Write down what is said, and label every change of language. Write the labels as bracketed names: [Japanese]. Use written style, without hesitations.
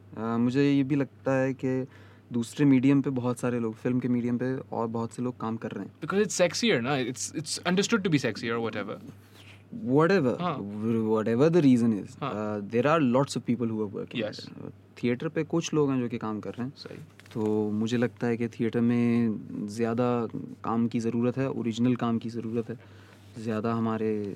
[Urdu] مجھے یہ بھی لگتا ہے کہ دوسرے میڈیم پہ بہت سارے لوگ فلم کے میڈیم پہ اور بہت سے لوگ کام کر رہے ہیں [English] because it's sexier, na? It's understood to be sexier or whatever. Whatever the reason is, there are lots of people who are working. Yes. [Urdu] Theatre پہ کچھ لوگ ہیں جو کہ کام کر رہے ہیں. صحیح. تو مجھے لگتا ہے کہ تھیئٹر میں زیادہ کام کی ضرورت ہے, اوریجنل کام کی ضرورت ہے زیادہ ہمارے.